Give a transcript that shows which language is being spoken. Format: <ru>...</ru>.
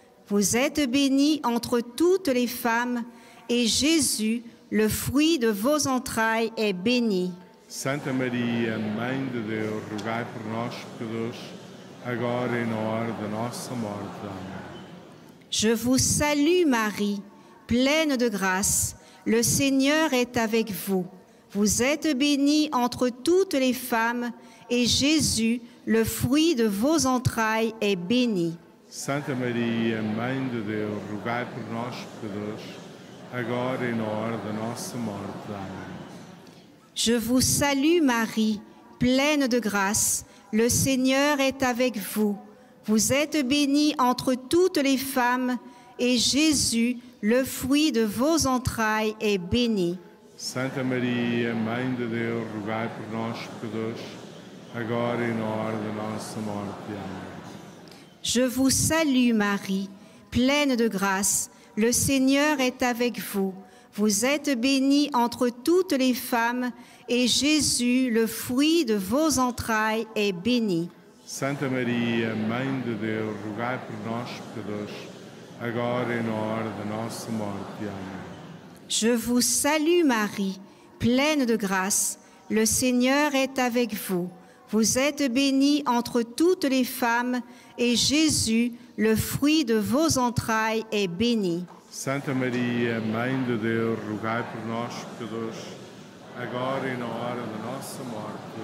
<fr>Vous êtes bénie entre toutes les femmes, et Jésus, le fruit de vos entrailles, est béni.</fr> <pt>Santa Maria, Mãe de Deus, rogai por nós, pecadores, agora e na hora da nossa morte. Amém.</pt> <fr>Je vous salue, Marie, pleine de grâce. Le Seigneur est avec vous. Vous êtes bénie entre toutes les femmes, et Jésus, le fruit de vos entrailles, est béni.</fr> <pt>Santa Maria, Mãe de Deus, rogai por nós, pecadores, agora e na hora da nossa morte. Amém.</pt> <fr>Je vous salue, Marie, pleine de grâce. Le Seigneur est avec vous. Vous êtes bénie entre toutes les femmes, et Jésus, le fruit de vos entrailles, est béni.</fr> <pt>Santa Maria, Mãe de Deus, rogai por nós, pecadores, agora e na hora da nossa morte. Amém.</pt> <fr>Je vous salue, Marie, pleine de grâce. Le Seigneur est avec vous. Vous êtes bénie entre toutes les femmes, et Jésus, le fruit de vos entrailles, est béni.</fr> <pt>Santa Maria, Mãe de Deus, rogai por nós, pecadores, agora e na hora da nossa morte. Amém.</pt> <fr>Je vous salue, Marie, pleine de grâce. Le Seigneur est avec vous. Vous êtes bénie entre toutes les femmes, et Jésus, le fruit de vos entrailles, est béni.</fr> <pt>Santa Maria, Mãe de Deus, rogai por nós, pecadores, agora e na hora da nossa morte.</pt>